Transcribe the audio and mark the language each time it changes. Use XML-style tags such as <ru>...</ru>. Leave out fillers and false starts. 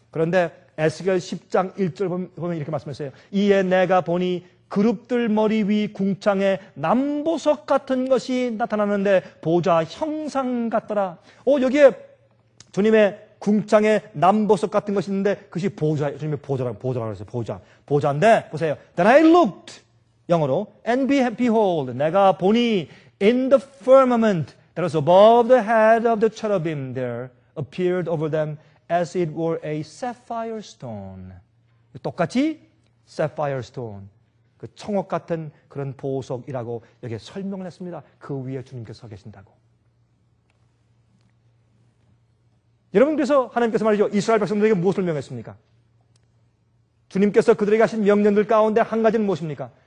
<ko>그런데 에스겔 10장 1절 보면 이렇게 말씀하세요. 이에 내가 보니 그룹들 머리 위 궁창에 남보석 같은 것이 나타나는데 보좌 형상 같더라. 여기에 주님의 궁창에 남보석 같은 것이 있는데 그것이 보좌, 주님의 보좌라고 했어요. 보좌인데 보세요.</ko> <en>Then I looked,</en> <ko>영어로</ko> <en>And behold,</en> <ko>내가 보니</ko> <en>In the firmament that was above the head of the cherubim there appeared over them as it were a sapphire stone.</en> <ko>똑같이 sapphire stone. 그 청옥 같은 그런 보석이라고 여기에 설명을 했습니다. 그 위에 주님께서 서 계신다고. 여러분 그래서 하나님께서 말이죠. 이스라엘 백성들에게 무엇을 명했습니까? 주님께서 그들에게 하신 명령들 가운데 한 가지는 무엇입니까?</ko>